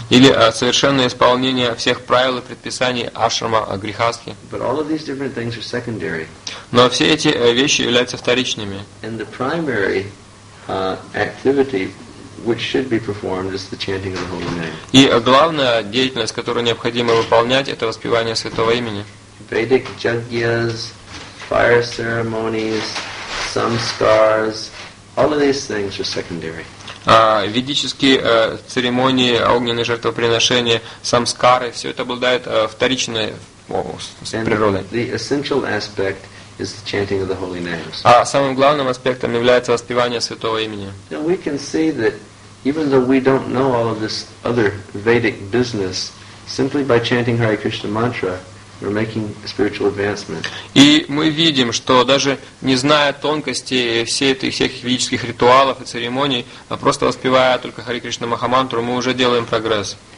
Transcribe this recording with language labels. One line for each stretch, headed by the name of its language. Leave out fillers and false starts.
Russian: Или совершенное исполнение всех правил и предписаний ашрама грихасхи.
English: But all of these different things are secondary.
Russian: Но все эти вещи являются вторичными.
English: And the primary activity which should be performed is the chanting of the holy name.
Russian: И главная деятельность, которую необходимо выполнять, это воспевание святого имени.
English: Vedic jagyas, fire ceremonies, samskars, all of these things are secondary.
Russian: Ведические церемонии, огненные жертвоприношения, самскары, все это обладает вторичной природой.
English: The essential aspect is the chanting of the holy names.
Russian: А самым главным аспектом является воспевание святого имени.
English: Now we can see that even though we don't know all of this other Vedic business, simply by chanting Hare Krishna mantra, we're making spiritual advancement.
Russian: И мы видим, что даже не зная тонкостей всей этих всех ведических ритуалов и церемоний, а просто воспевая только Хари Кришна Махамантру, мы уже делаем прогресс.